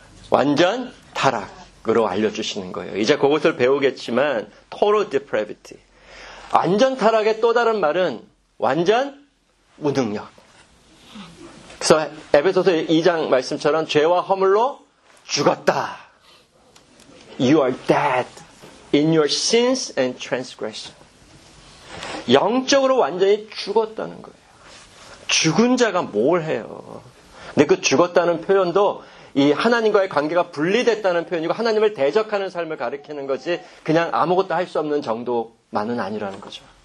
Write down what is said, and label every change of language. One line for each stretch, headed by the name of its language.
Korean: 완전 타락으로 알려주시는 거예요. 이제 그것을 배우겠지만 total depravity, 완전 타락의 또 다른 말은 완전 무능력. 그래서 에베소서 2장 말씀처럼 죄와 허물로 죽었다.
English: You are dead in your sins and transgression.
Korean: 영적으로 완전히 죽었다는 거예요. 죽은 자가 뭘 해요. 근데 그 죽었다는 표현도 이 하나님과의 관계가 분리됐다는 표현이고 하나님을 대적하는 삶을 가리키는 거지 그냥 아무것도 할 수 없는 정도만은 아니라는 거죠.